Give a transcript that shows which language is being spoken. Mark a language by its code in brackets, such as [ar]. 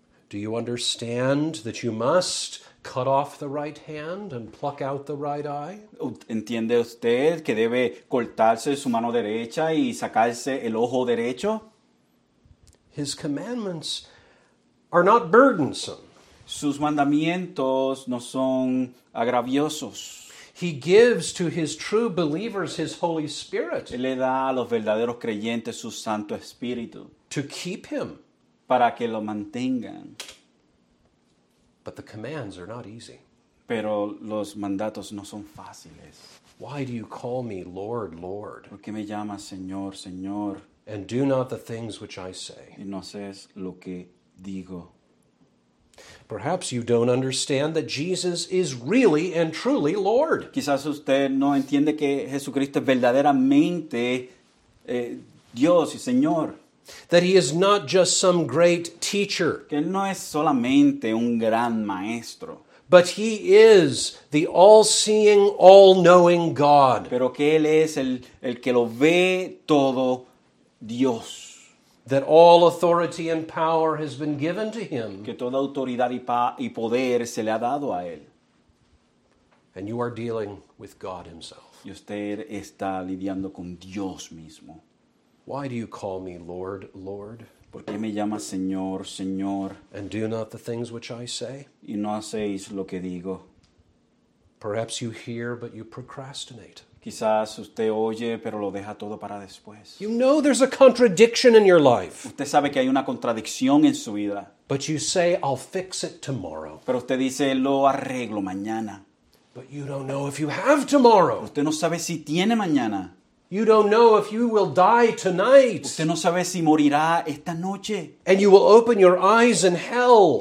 [en] Do you understand that you must cut off the right hand and pluck out the right eye? [es] ¿Entiende usted que debe cortarse su mano derecha y sacarse el ojo derecho? [en] His commandments are not burdensome. [es] Sus mandamientos no son agraviosos. [en] He gives to his true believers his Holy Spirit. [es] Él le da a los verdaderos creyentes su Santo Espíritu. [en] To keep him. [es] Para que lo mantengan. [en] But the commands are not easy. [es] Pero los mandatos no son fáciles. [en] Why do you call me Lord, Lord? [es] ¿Por qué me llamas Señor, Señor? [en] And do not the things which I say. [es] Y no haces lo que digo. [en] Perhaps you don't understand that Jesus is really and truly Lord. [es] Quizás usted no entiende que Jesucristo es verdaderamente Dios y Señor. [en] That he is not just some great teacher. [es] Que él no es solamente un gran maestro. [en] But he is the all-seeing, all-knowing God. [es] Pero que él es el que lo ve todo Dios. [en] That all authority and power has been given to him. [es] Que toda autoridad y poder se le ha dado a él. [en] And you are dealing with God himself. [es] Y usted está lidiando con Dios mismo. [en] Why do you call me Lord, Lord? [es] ¿Por qué me llamas Señor, Señor? [en] And do not the things which I say? [es] Y no hacéis lo que digo. [en] Perhaps you hear, but you procrastinate. [es] Quizás usted oye, pero lo deja todo para después. [en] You know there's a contradiction in your life. [es] Usted sabe que hay una contradicción en su vida. [en] But you say, I'll fix it tomorrow. [es] Pero usted dice, lo arreglo mañana. [en] But you don't know if you have tomorrow. [es] Usted no sabe si tiene mañana. [en] You don't know if you will die tonight. [es] Usted no sabe si morirá esta noche. [en] And you will open your eyes in hell.